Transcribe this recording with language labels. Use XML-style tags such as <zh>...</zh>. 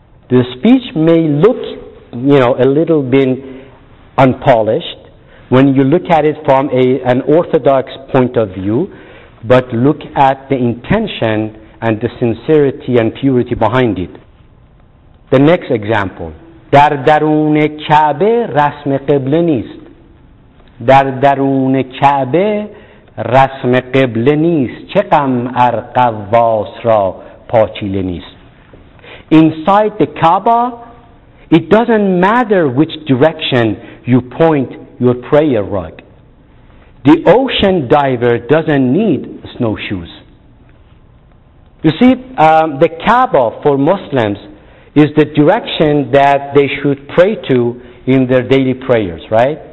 <en>The speech may look, you know, a little bit unpolished when you look at it from an orthodox point of view, but look at the intention and the sincerity and purity behind it. The next example.</en> <fa>در درون کعبه رسم قبله نیست. در درون کعبه رسم قبله نیست. چه غم ار قواس را پاچیله نیست.</fa> <en>Inside the Kaaba, it doesn't matter which direction you point your prayer rug. The ocean diver doesn't need snowshoes. You see, the Kaaba for Muslims is the direction that they should pray to in their daily prayers, right?</en>